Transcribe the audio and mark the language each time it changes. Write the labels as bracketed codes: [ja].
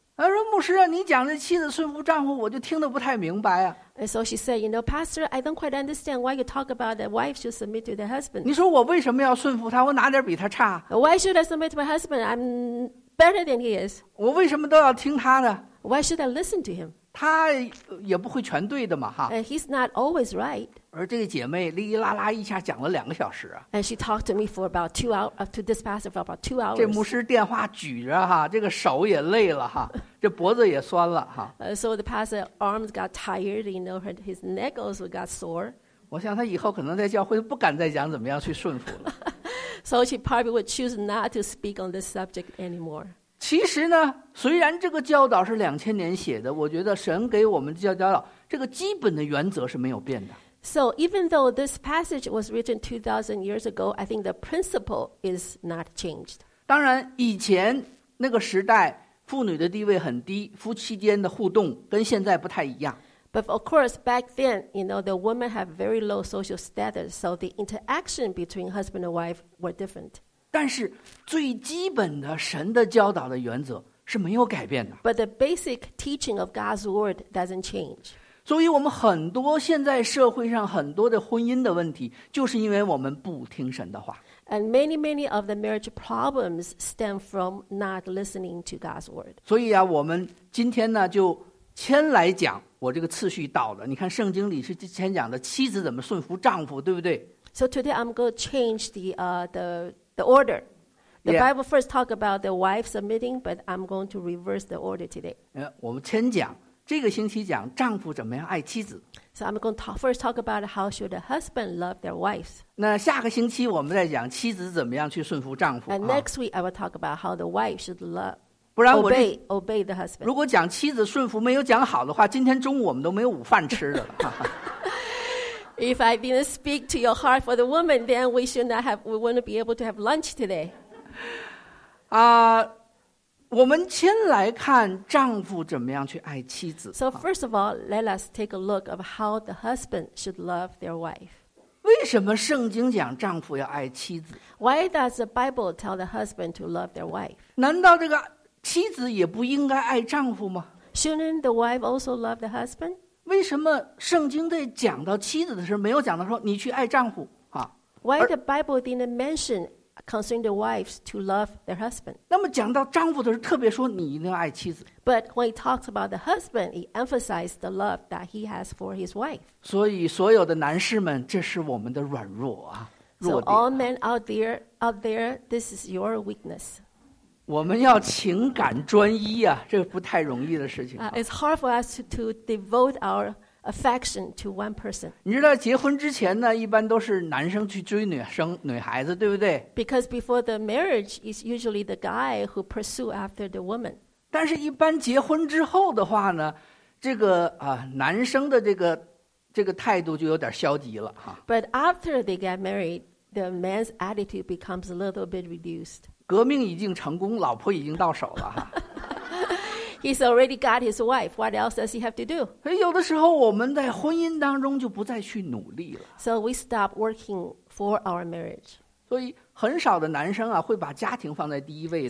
[zh] 他说牧师啊，你讲这妻子顺服丈夫我就听得不太明白啊。 [en] And so she said, you know, Pastor, I don't quite understand why you talk about the wife should submit to the husband. [zh] 你说我为什么要顺服他，我哪点比他差？ [en] Why should I submit to my husband? I'm better than he is. [zh] 我为什么都要听他的？ [en] Why should I listen to him? [zh] 他也不会全对的嘛哈。 [en] And he's not always right. [zh] 而这个姐妹哩哩啦啦一下讲了2个小时啊。 [en] And she talked to me for about 2 hours, to this pastor for about 2 hours. [zh] 这牧师电话举着哈，这个手也累了哈。这脖子也酸了哈。 [en] So the pastor's arms got tired, you know, his neck also got sore. [zh] 我想他以后可能在教会不敢再讲怎么样去顺服了。 [en] So she probably would choose not to speak on this subject anymore. [zh] 其实呢，虽然这个教导是2000年写的，我觉得神给我们教导这个基本的原则是没有变的。 [en] So even though this passage was written 2000 years ago, I think the principle is not changed. [zh] 当然以前那个时代妇女的地位很低，夫妻间的互动跟现在不太一样。 [en] But of course, back then, you know, the women have very low social status, so the interaction between husband and wife were different. [zh] 但是最基本的神的教导的原则是没有改变的。 [en] But the basic teaching of God's word doesn't change. [zh] 所以我们很多现在社会上很多的婚姻的问题，就是因为我们不听神的话。 [en] And many, many of the marriage problems stem from not listening to God's word. [zh] 所以啊，我们今天呢，就先来讲我这个次序到的。你看圣经里是先讲的妻子怎么顺服丈夫，对不对 [en] ？So today I'm going to change the order. The Bible first talk about the wife submitting, but I'm going to reverse the order today. [zh] 我们先讲这个星期讲丈夫怎么样爱妻子。 [en] So I'm going to first talk about how should a husband love their wives. [zh] 那下个星期我们再讲妻子怎么样去顺服丈夫。 [en] And next week I will talk about how the wife should love, [zh] 不然我 [en] obey the husband. [zh] 如果讲妻子顺服没有讲好的话，今天中午我们都没有午饭吃的了。 [en] If I didn't speak to your heart for the woman, then we should not have, we wouldn't be able to have lunch today. [zh] 啊我们先来看丈夫怎么样去爱妻子。 [en] So first of all, let us take a look of how the husband should love their wife. [zh] 为为什么圣经讲丈夫要爱妻子？ [en] Why does the Bible tell the husband to love their wife? [zh] 难道这个妻子也不应该爱丈夫吗？ [en] Shouldn't the wife also love the husband? [zh] 为什么圣经在讲到妻子的时候没有讲到说你去爱丈夫啊？ [en] Why the Bible didn't mention concerning the wives to love their husband? [zh] 那么讲到丈夫的时候特别说你一定要爱妻子。 [en] But when he talks about the husband, he emphasized the love that he has for his wife. [zh] 所以所有的男士们，这是我们的软弱啊，弱点啊。 [en] So all men out there, this is your weakness. [zh] 我们要情感专一啊，这不太容易的事情啊。 [en] It's hard for us to devote our affection to one person. [zh] 你知道结婚之前呢，一般都是男生去追女生、女孩子，对不对？ [en] Because before the marriage, it's usually the guy who pursue after the woman. [zh] 但是一般结婚之后的话呢，这个啊，男生的这个态度就有点消极了哈。 [en] But after they get married, the man's attitude becomes a little bit reduced. [zh] 革命已经成功，老婆已经到手了哈。 [en] He's already got his wife. What else does he have to do? [zh] 有的时候我们在婚姻当中就不再去努力了。 [en] So we stop working for our marriage. [zh] 所以很少的男生啊会把家庭放在第一位的。